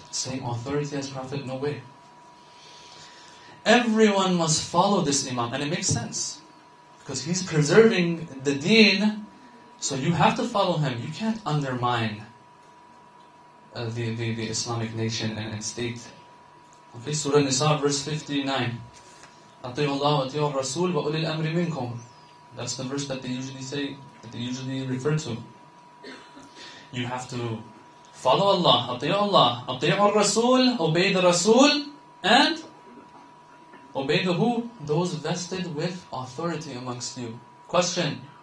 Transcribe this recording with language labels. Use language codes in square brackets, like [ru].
[en] Same authority as Prophet? No way. Everyone must follow this imam. And it makes sense. Because he's preserving the deen. So you have to follow him. You can't undermine the Islamic nation and state. Okay? Surah Nisa, verse 59. [ar] أطيع الله وأطيع الرسول وأولي الأمر منكم. [en] That's the verse that they usually say, that they usually refer to. You have to follow Allah, [ar] atiyah Allah, atiyah al-Rasul, [en] obey the Rasul, and obey the who? Those vested with authority amongst you. Question.